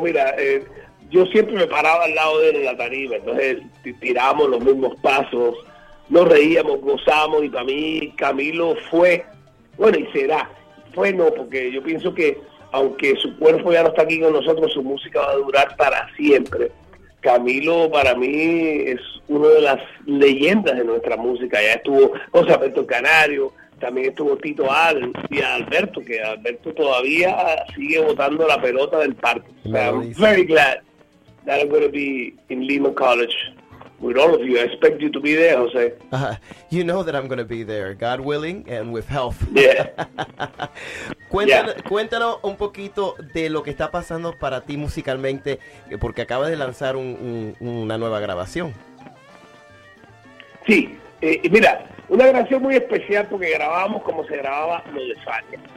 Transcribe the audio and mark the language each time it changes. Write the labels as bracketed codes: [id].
[es] Mira, yo siempre me paraba al lado de él en la tarima, entonces tirábamos los mismos pasos, nos reíamos, gozamos, y para mí Camilo fue, bueno, y será, bueno, porque yo pienso que aunque su cuerpo ya no está aquí con nosotros, su música va a durar para siempre. Camilo, para mí, es una de las leyendas de nuestra música. Ya estuvo José Alberto Canario, también estuvo Tito Allen y Alberto, que Alberto todavía sigue botando la pelota del parque. [en] I'm very glad that I'm going to be in Lehman College with all of you. I expect you to be there, Jose. You know that I'm going to be there, God willing and with health. Yeah. [es] Cuéntanos un poquito de lo que está pasando para ti musicalmente, porque acabas de lanzar una nueva grabación. Sí, mira, una grabación muy especial porque grabábamos como se grababa lo de España.